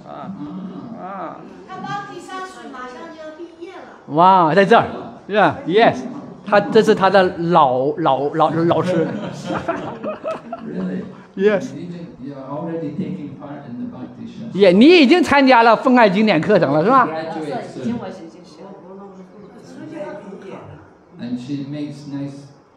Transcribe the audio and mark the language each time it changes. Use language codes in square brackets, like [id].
[zh] 他Bhakti Sastri马上就要毕业了。哇，在这儿，是吧 ？ [en] Yes， [zh] 他这是他的老师。 [en] Really? Yes. You're already taking part in the Bhakti Sastri. [zh] 也，你已经参加了奉爱经典课程了，是吧？已经我已经学了，然后毕业。 [en] And she makes nice.